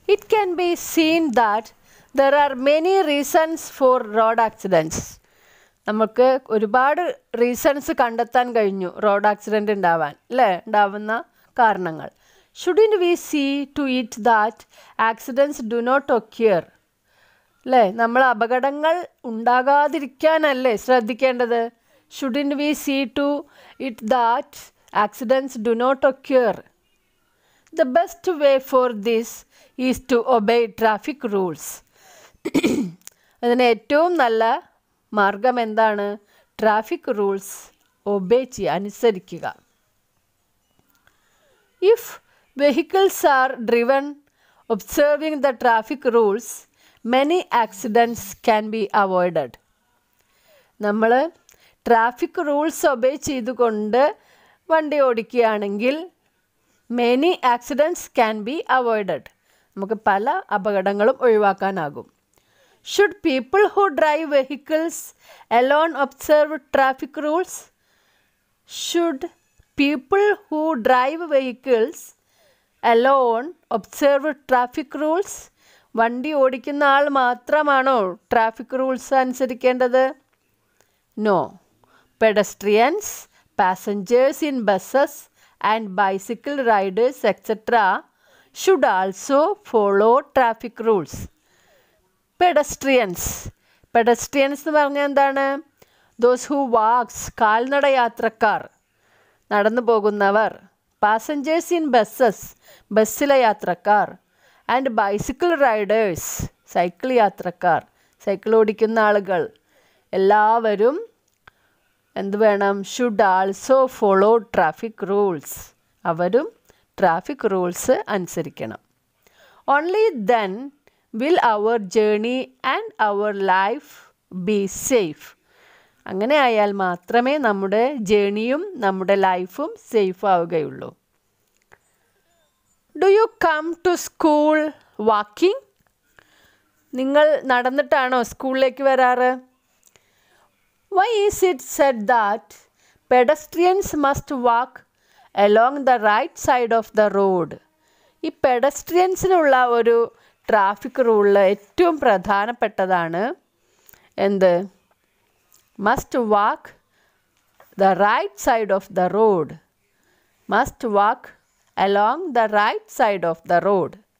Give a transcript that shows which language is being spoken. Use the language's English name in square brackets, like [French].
[English] it can be seen that there are many reasons for road accidents. [Malayalam] നമുക്ക് ഒരുപാട് reasons കണ്ടെത്താൻ കഴിഞ്ഞു road accident ഉണ്ടാവാൻ, അല്ലേ? ഉണ്ടാവുന്ന കാരണങ്ങൾ. [English] Shouldn't we see to it that accidents do not occur? [Malayalam] അല്ലേ, നമ്മൾ അപകടങ്ങൾ ഉണ്ടാകാതിരിക്കാനല്ലേ ശ്രദ്ധിക്കേണ്ടത്? [English] Shouldn't we see to it that accidents do not occur? The best way for this is to obey traffic rules. [Malayalam] അതിന് ഏറ്റവും നല്ല മാർഗം എന്താണ്? ട്രാഫിക് റൂൾസ് ഒബേ ചെയ്യുക, അനുസരിക്കുക. [English] If vehicles are driven observing the traffic rules many accidents can be avoided. [Malayalam] നമ്മൾ traffic rules obey ചെയ്തുകൊണ്ട് വണ്ടി ഓടിക്കുകയാണെങ്കിൽ [English] Many accidents can be avoided. [Malayalam] നമുക്ക് പല അപകടങ്ങളും ഒഴിവാക്കാനാകും. [English] Should people who drive vehicles alone observe traffic rules? Should people who drive vehicles alone observe traffic rules? [Malayalam] വണ്ടി ഓടിക്കുന്ന ആൾ മാത്രമാണോ traffic rules അനുസരിക്കേണ്ടത്? [English] No. Pedestrians, passengers in buses and bicycle riders etc. should also follow traffic rules. [Malayalam] Pedestrians എന്ന് പറഞ്ഞാൽ എന്താണ്? [English] those who walks, [Malayalam] കാൽനട യാത്രക്കാർ, നടന്നു പോകുന്നവർ. [English] passengers in buses, [Malayalam] ബസ്സിലെ യാത്രക്കാർ. [English] and bicycle riders, [Malayalam] സൈക്കിൾ യാത്രക്കാർ, സൈക്കിൾ ഓടിക്കുന്ന ആളുകൾ. എല്ലാവരും എന്ത് വേണം? [English] Should also follow traffic rules. [Malayalam] അവരും ട്രാഫിക് റൂൾസ് അനുസരിക്കണം. [English] Only then will our journey and our life be safe. [Malayalam] അങ്ങനെ ആയാൽ മാത്രമേ നമ്മുടെ ജേണിയും നമ്മുടെ ലൈഫും സേഫ് ആവുകയുള്ളൂ. [English] Do you come to school walking? [Malayalam] നിങ്ങൾ നടന്നിട്ടാണോ സ്കൂളിലേക്ക് വരാറ്? [English] Why is it said that pedestrians must walk along the right side of the road? [Malayalam] ഈ പെഡസ്ട്രിയൻസിനുള്ള ഒരു ട്രാഫിക് റൂളിൽ ഏറ്റവും പ്രധാനപ്പെട്ടതാണ് എന്ത്? [English] Must walk the right side of the road. Must walk along the right side of the road.